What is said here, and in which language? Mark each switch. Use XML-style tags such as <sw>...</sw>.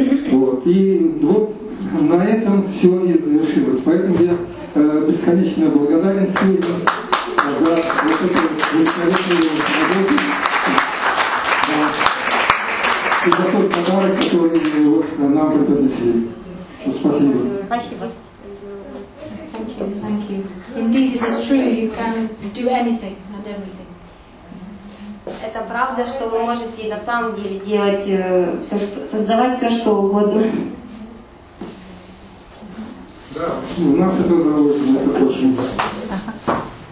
<ru>Вот. И вот на этом все и завершилось. Поэтому я бесконечно благодарен всем за вот эту бесконечную работу и за тот подарок, который вот нам преподнесли. Спасибо. Спасибо.</ru> <en>Thank you. Indeed, it is true, you can do anything and everything.</en> <ru>Это правда, что вы можете на самом деле делать все, создавать все, что угодно. Да, у нас это заложено, это очень важно.</ru>